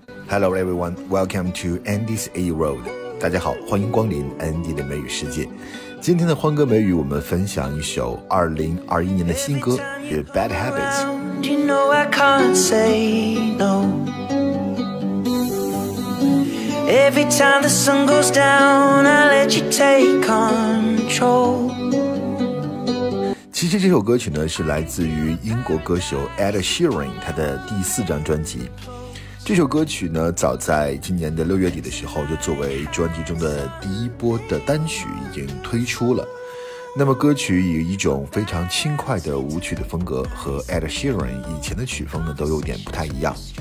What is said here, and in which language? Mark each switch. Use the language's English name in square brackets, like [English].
[English] Hello everyone, welcome to Andy's A-Road. [Chinese] 大家好，欢迎光临 Andy 的美语世界。今天的欢歌美语，我们分享一首2021年的新歌 The Bad Habits. [English] You know I can't say no. Every time the sun goes down, I let you take control. [Chinese] 其实这首歌曲呢是来自于英国歌手 Ed Sheeran 他的第四张专辑。这首歌曲呢早在今年的六月底的时候就作为专辑中的第一波的单曲已经推出了。那么歌曲以一种非常轻快的舞曲的风格和 Ed Sheeran 以前的曲风呢都有点不太一样。